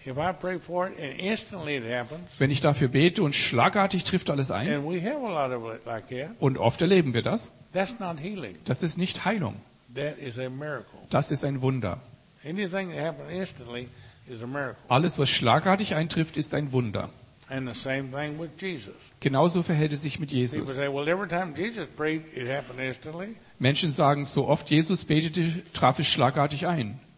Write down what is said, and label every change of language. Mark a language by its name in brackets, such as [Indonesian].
[English] If I pray for it and instantly it happens, [German] wenn ich dafür bete und schlagartig trifft alles ein, [English] and we have a lot of it like that, [German] und oft erleben wir das, [English] that's not healing. [German] Das ist nicht Heilung. [English] That is a miracle. [German] Das ist ein Wunder. [English] Anything that happens instantly is a miracle. [German] Alles, was schlagartig eintrifft, ist ein Wunder. [English] And the same thing with Jesus. [German] Genauso verhält es sich mit Jesus. [English] People say, well, every time Jesus prayed, it happened instantly. [German] Menschen sagen, so oft Jesus betete, traf es schlagartig ein.